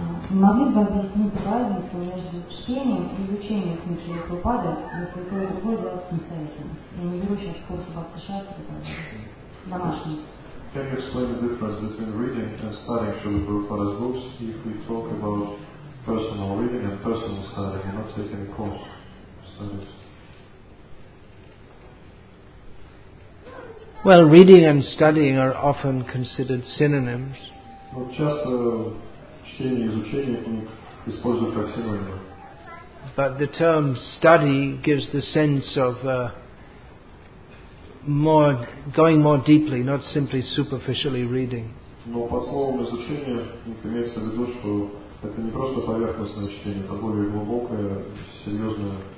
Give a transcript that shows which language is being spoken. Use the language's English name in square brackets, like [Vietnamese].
[Russian] Могли бы объяснить разницу между чтением и изучением книг Шрилы Прабхупады, если то и другое делать самостоятельно? Я не беру сейчас курсы бхакти-шастры, домашние. [English] Can you explain the difference between reading and studying Шрилы Прабхупады's books if we talk about personal reading and personal studying and not taking a course? Well, reading and studying are often considered synonyms. But the term study gives the sense of more going more deeply, not simply superficially reading. [Russian] Но под словом изучение имеется в виду, что это не просто поверхностное чтение, это более глубокое, серьезное.